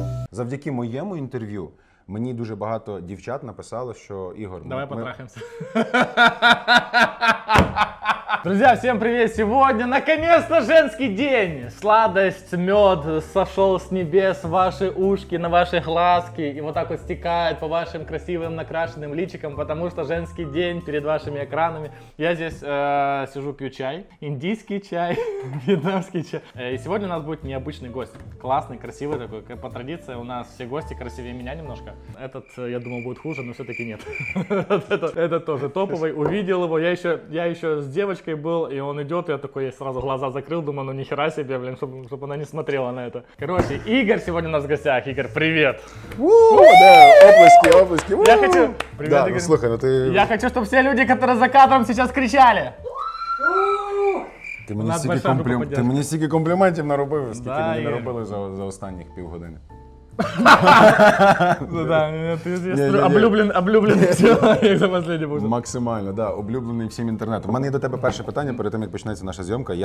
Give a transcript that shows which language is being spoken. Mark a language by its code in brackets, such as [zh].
[uk] Завдяки моєму інтерв'ю мені дуже багато дівчат написало, що Ігор... Давай потрахаємося. [ru] Друзья, всем привет! Сегодня наконец-то женский день! Сладость, мед сошел с небес в ваши ушки, на ваши глазки и вот так вот стекает по вашим красивым накрашенным личикам, потому что женский день перед вашими экранами. Я здесь сижу, пью чай, индийский чай, вьетнамский чай. И сегодня у нас будет необычный гость, классный, красивый такой, как по традиции у нас все гости красивее меня немножко. Этот, я думал, будет хуже, но все-таки нет. Этот тоже топовый, увидел его, я еще с девочкой был, и он идет, я такой, я сразу глаза закрыл, думаю, ну нихера себе, блин, чтобы она не смотрела на это. Короче, Игорь сегодня у нас в гостях. Игорь, привет! Да, области. Я хочу... Привет, да, Игорь. Ну, слушай, ну ты... Я хочу, чтобы все люди, которые за кадром сейчас кричали. [uk] Ты мне стільки компліментів наробив, скільки мені наробили за останні півгодини. Ну да, облюблений чоловік за останній бюджет. Максимально, да, облюблений всім інтернетом. У мене є до тебе перше питання, перед тим, як почнеться наша зйомка.